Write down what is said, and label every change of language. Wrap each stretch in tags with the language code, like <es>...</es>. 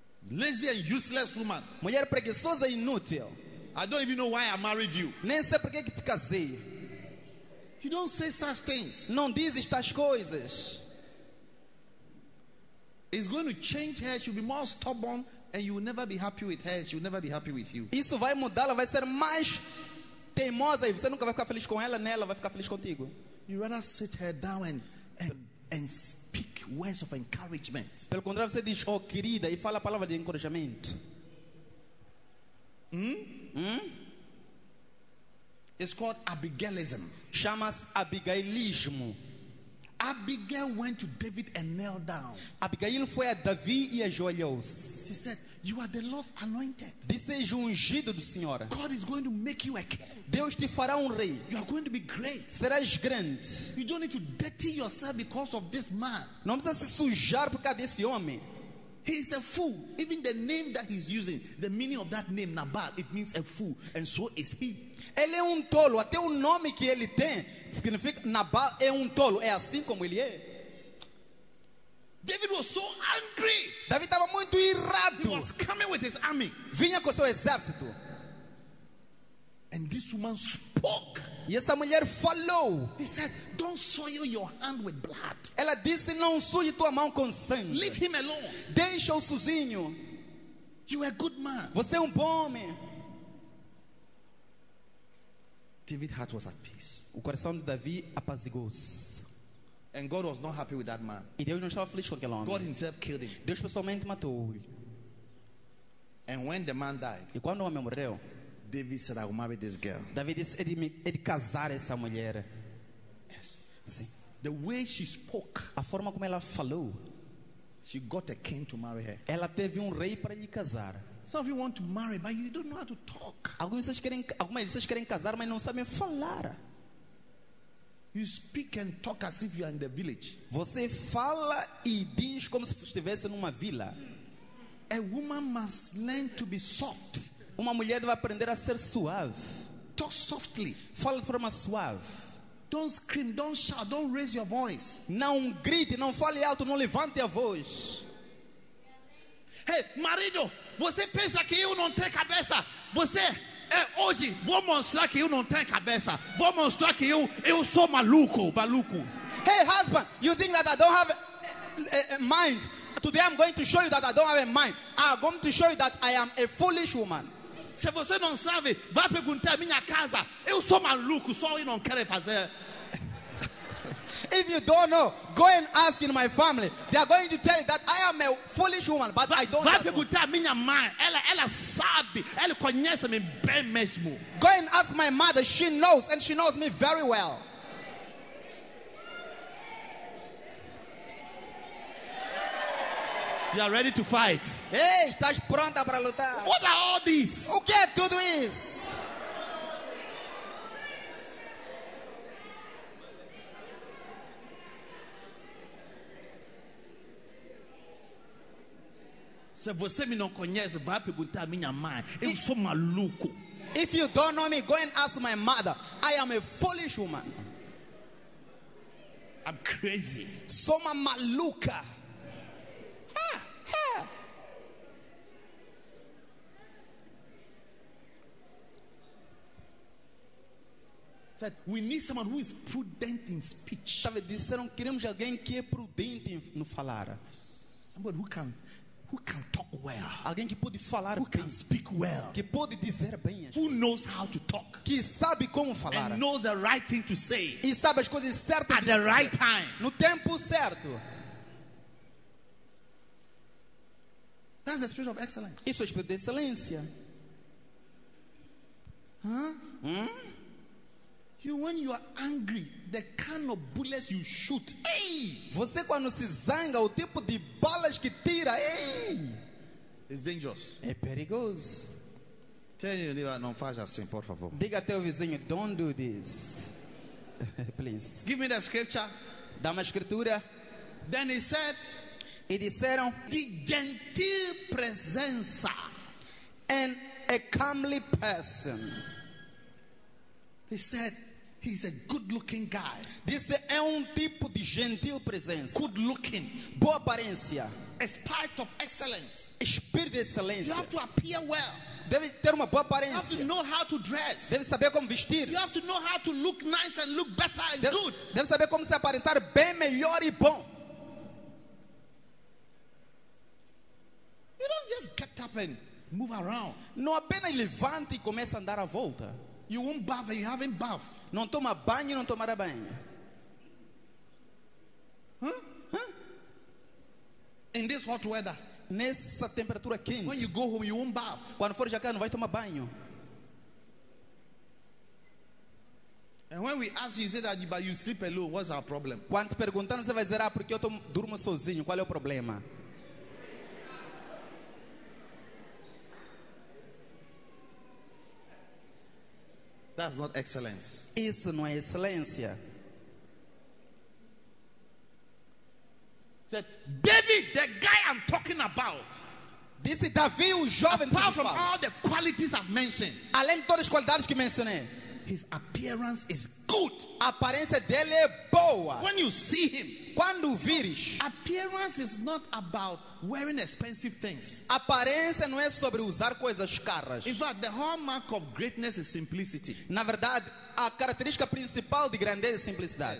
<en>Lazy and useless woman.</en> <pt>Mulher preguiçosa e inútil.</pt> <en>I don't even know why I married you.</en> <pt>Nem sei por que te casei.</pt> <en>You don't say such things.</en> <pt>Não diz estas coisas.</pt> <en>It's going to change her. She'll be more stubborn, and you will never be happy with her. She will never be happy with you.</en> <pt>Isso vai mudar. Ela vai ser mais teimosa e você nunca vai ficar feliz com ela. Nela vai ficar feliz contigo.</pt> <en>You rather sit her down and speak words of encouragement.</en> <pt>Pelo contrário, você diz, oh, querida, e fala a palavra de encorajamento.</pt> <en>It's called Abigailism.</en> <pt>Chama-se Abigailismo.</pt> <en>Abigail went to David and knelt down.</en> <pt>Abigail foi a Davi e ajoelhou-se.</pt> <en>She said, "You are the Lord's anointed."</en> <pt>Disse, és ungido do Senhor.</pt> <en>God is going to make you a king.</en> <pt>Deus te fará rei.</pt> <en>You are going to be great.</en> <pt>Serás grande.</pt> <en>You don't need to dirty yourself because of this man.</en> <pt>Não precisa se sujar por causa desse homem.</pt> <en>He is a fool. Even the name that he's using, the meaning of that name, Nabal, it means a fool. And so is he.</en> <pt>Ele é tolo. Até o nome que ele tem significa Nabal é tolo. É assim como ele é.</pt> <en>David was so angry.</en> <pt>David estava muito irado.</pt> <en>He was coming with his army.</en> <pt>Vinha com seu exército.</pt> <en>And this woman spoke.</en> <pt>E essa mulher falou.</pt> <en>He said, "Don't soil your hand with blood."</en> <pt>Ela disse, não suje tua mão com sangue.</pt> <en>Leave him alone.</en> <pt>Deixa-o sozinho.</pt> <en>You are a good man.</en> <pt>Você é bom homem.</pt> <en>David's heart was at peace.</en> <pt>O coração de Davi apazigou-se.</pt> <en>And God was not happy with that man.</en> <pt>E Deus não estava feliz com aquele homem.</pt> <en>God himself killed him.</en> <pt>Deus pessoalmente matou-o.</pt> <en>And when the man died,</en> <pt>e quando o homem morreu,</pt> <en>David said, "I will marry this girl."</en> <pt>David disse, é de casar essa mulher.</pt> <en>Yes.</en> <pt>Sim.</pt> <en>The way she spoke,</en> <pt>a forma como ela falou,</pt> <en>she got a king to marry her.</en> <pt>Ela teve rei para lhe casar.</pt> <en>Some of you want to marry, but you don't know how to talk.</en> <pt>Algumas de vocês querem casar, mas não sabem falar.</pt> <en>You speak and talk as if you are in the village.</en> <pt>Você fala e diz como se estivesse numa vila.</pt> <en>A woman must learn to be soft.</en> <pt>Uma mulher deve aprender a ser suave.</pt> <en>Talk softly.</en> <pt>Fala de forma suave.</pt> <en>Don't scream, don't shout, don't raise your voice.</en> <pt>Não grite, não fale alto, não levante a voz. Hey, marido, você pensa que eu não tenho cabeça? Você é hoje, vou mostrar que eu não tenho cabeça. Vou mostrar que eu sou maluco.</pt> <en>Hey, husband, you think that I don't have a mind? Today I'm going to show you that I don't have a mind. I'm going to show you that I am a foolish woman.</en> <pt>Se você não sabe, vá perguntar à minha casa. Eu sou maluco, só eu não quero fazer.</pt> <en>If you don't know, go and ask in my family. They are going to tell you that I am a foolish woman, but I don't.</en> <pt>Vai perguntar à minha mãe. Ela sabe. Ela conhece me bem mesmo.</pt> <en>Go and ask my mother. She knows, and she knows me very well. You are ready to fight.</en> <pt>Ei, estás pronta para lutar?</pt> <en>What are all this?</en> <pt>O que é tudo isso? Se você me não conhece, vai perguntar à minha mãe. Eu sou maluco.</pt> <en>If you don't know me, go and ask my mother. I am a foolish woman. I'm crazy.</en> <pt>Sou uma maluca.</pt> <en>Said, we need someone who is prudent in speech.</en> <pt>Estava dizendo, queremos alguém que é prudente no falar.</pt> <en>Somebody who can talk well.</en> <pt>Alguém que pode falar</pt> <en>who</en> <pt>bem.</pt> <en>Who can speak well.</en> <pt>Que pode dizer bem.</pt> <en>Who knows how to talk.</en> <pt>Que sabe como falar.</pt> <en>And knows the right thing to say.</en> <pt>E sabe as coisas certas.</pt> <en>At the right time.</en> <pt>No tempo certo.</pt> <en>That's the spirit of excellence.</en> <pt>Isso é o espírito de excelência.</pt> <en>You, when you are angry, the kind of bullets you shoot. Hey!</en> <pt>Você quando se zanga, o tipo de balas que tira. Hey!</pt> <en>It's dangerous.</en> <pt>É perigoso.</pt> <en>Tell your neighbor,</en> <pt>não faça assim, por favor. Diga teu vizinho,</pt> <en>don't do this. Please. Give me the scripture.</en> <pt>Dá-me a escritura.</pt> <en>Then he said.</en> <pt>E disseram. De gentil presença.</pt> <en>And a comely person. He said, he's a good-looking guy.</en> <pt>Disse, é tipo de gentil presença.</pt> <en>Good-looking.</en> <pt>Boa aparência.</pt> <en>A spirit of excellence.</en> <pt>Espírito de excelência.</pt> <en>You have to appear well.</en> <pt>deve ter uma boa aparência.</pt> <en>You have to know how to dress.</en> <pt>Deve saber como vestir.</pt> <en>You have to know how to look nice and look better and good.</en> <pt>Deve saber como se aparentar bem, melhor e bom.</pt> <en>You don't just get up and move around.</en> <pt>Não apenas levanta e começa a andar à volta.</pt> <en>You won't bath and you haven't bathed.</en> <pt>Não toma banho e não tomará banho.</pt> <en>In this hot weather.</en> <pt>Nessa temperatura quente.</pt> <en>When you go home, you won't bath.</en> <pt>Quando for jacar, não vai tomar banho.</pt> <en>And when we ask you, say that but you sleep alone, what's our problem?</en> <pt>Quando perguntar, você vai dizer, ah, porque eu durmo sozinho, qual é o problema?</pt> <en>That's not excellence.</en> <pt>Isso não é excelência.</pt> <en>Said David, the guy I'm talking about. This is Davi,</en> <pt>o jovem.</pt> <en>Apart from all the qualities I've mentioned,</en> <pt>além de todas as qualidades que mencionei,</pt> <en>his appearance is good.</en> <pt>A aparência dele é boa.</pt> <en>When you see him,</en> <pt>quando vires,</pt> <en>appearance is not about wearing expensive things.</en> <pt>Aparência não é sobre usar coisas caras.</pt> <en>In fact, the hallmark of greatness is simplicity.</en> <pt>Na verdade, a característica principal de grandeza é simplicidade.</pt>